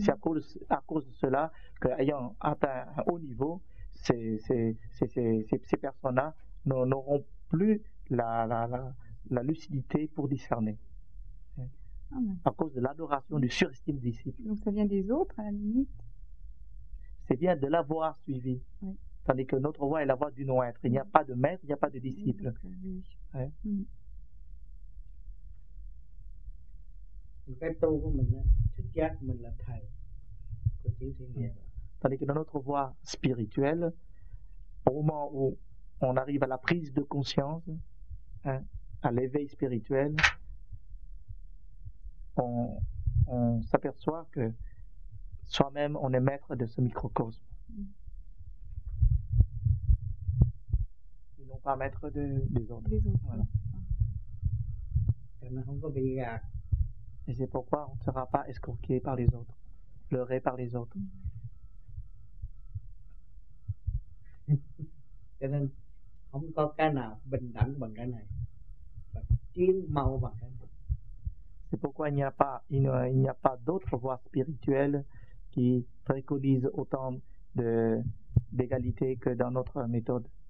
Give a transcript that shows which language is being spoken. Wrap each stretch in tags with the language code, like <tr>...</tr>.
<fr>C'est à cause de cela qu'ayant atteint un haut niveau, ces personnes-là n'auront plus la lucidité pour discerner. À cause de l'adoration du surestime des disciples. Donc ça vient des autres, à la limite. C'est bien de l'avoir suivi. Oui. Tandis que notre voie est la voie du non-être. Il n'y a pas de maître, il n'y a pas de disciple. Oui. Ouais.</fr> <vi>Cái tu của mình á, thức giác của mình là thầy của tiểu thiên địa.</vi> <fr>Tandis que dans notre voie spirituelle, au moment où on arrive à la prise de conscience, hein, à l'éveil spirituel, on s'aperçoit que soi-même on est maître de ce microcosme. Et non pas maître des autres. Des autres. Voilà. Et c'est pourquoi on ne sera pas escroqué par les autres, leurré par les autres.</fr> <vi>Cho nên không có cái nào bình đẳng bằng cái này, và tiến mau bằng cái này.</vi> <fr>C'est pourquoi il n'y a pas d'autre voie spirituelle qui préconise autant d'égalité que dans notre méthode.</fr>